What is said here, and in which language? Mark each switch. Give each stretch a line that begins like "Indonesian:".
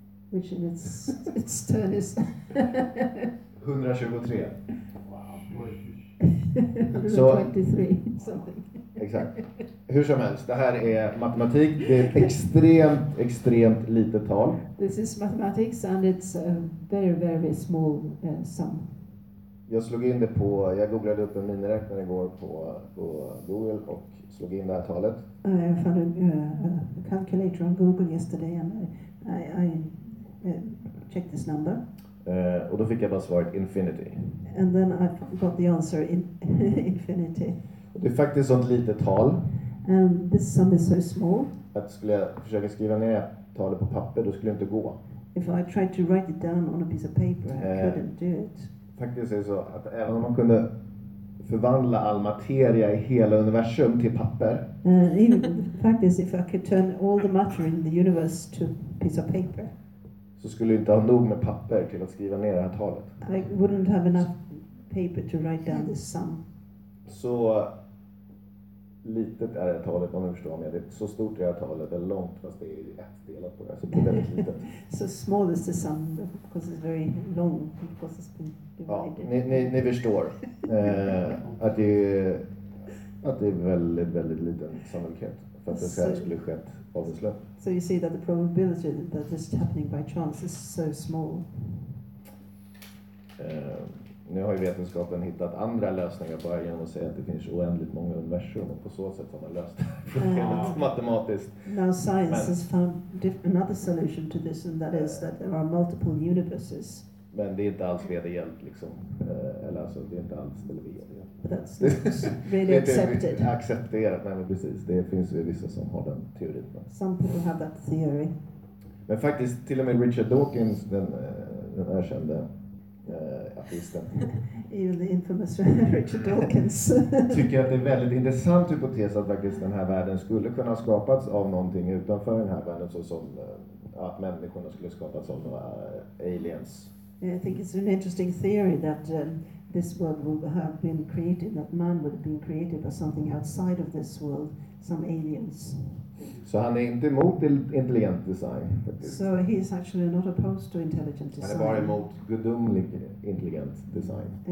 English: which in its turn is 123. Wow. 123 something.
Swedish: Exakt. Hur som helst, det här är matematik. Det är ett extremt, extremt litet tal.
English: This is mathematics and it's a very, very small sum.
Swedish: Jag slog in det på, jag googlade upp en miniräknare igår på Google och slog in det här talet.
English: I found a calculator on Google yesterday and I checked this number.
Swedish: Och då fick jag bara svaret infinity.
English: And then I got the answer in infinity.
Swedish: Och det är faktiskt sånt litet tal.
English: And this sum is so small.
Swedish: Att skulle jag försöka skriva ner talet på papper, då skulle det inte gå.
English: If I tried to write it down on a piece of paper, I couldn't do it.
Swedish: Faktiskt är så att även om man kunde förvandla all materia i hela universum till papper. Faktiskt,
English: if I could turn all the matter in the universe to a piece of paper.
Swedish: Så skulle inte ha nog med papper till att skriva ner det här talet.
English: I wouldn't have enough paper to write down this sum.
Swedish: Så litet är det talet, om du förstår mig. Det är så stort det här talet, det är långt fast det är ett delat på det. Så det blir väldigt litet.
English: So small is the sum, because it's very long, because it's been.
Swedish: Ja, ni förstår att det är väldigt, väldigt liten sannolikhet för att det här skulle skett av en slump.
English: So you see that the probability that this is happening by chance is so small.
Swedish: Nu har ju vetenskapen hittat andra lösningar bara genom att säga att det finns oändligt många universum och på så sätt har man löst det matematiskt.
English: Now science has found another solution to this and that is that there are multiple universes.
Swedish: Men det är inte alls vedergällt liksom, eller alltså det är inte alls vedergällt.
English: That's really accepted.
Swedish: Det är accepterat, nej men precis, det finns ju vissa som har den teorin.
English: Some people have that theory.
Swedish: Men faktiskt till och med Richard Dawkins, den erkände artisten.
English: Even the infamous Richard Dawkins.
Swedish: Tycker att det är väldigt intressant hypotes att faktiskt den här världen skulle kunna ha skapats av någonting utanför den här världen såsom att människorna skulle skapats av några aliens.
English: I think it's an interesting theory that this world would have been created, that man would have been created by something outside of this world, some aliens.
Swedish: Så han är inte emot intelligent design.
English: So he is actually not opposed to intelligent design.
Swedish: Han är bara emot gudomlig intelligent design.